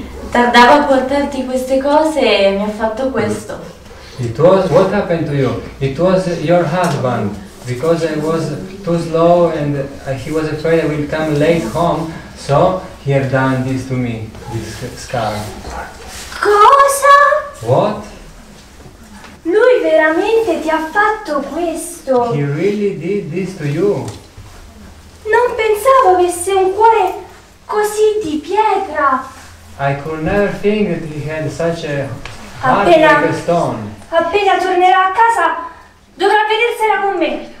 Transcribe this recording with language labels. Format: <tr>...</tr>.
<it>Tardava a portarti queste cose e mi ha fatto questo.</it> <en>It was what happened to you? It was your husband. Because I was too slow and he was afraid I will come late home, so he had done this to me, this scar.</en> <it>Cosa?</it> <en>What?</en> <it>Lui veramente ti ha fatto questo.</it> <en>He really did this to you.</en> <it>Non pensavo avesse un cuore così di pietra.</it> <en>I could never think that he had such a heart like a stone.</en> <it>Appena tornerà a casa, dovrà vedersela con me.</it>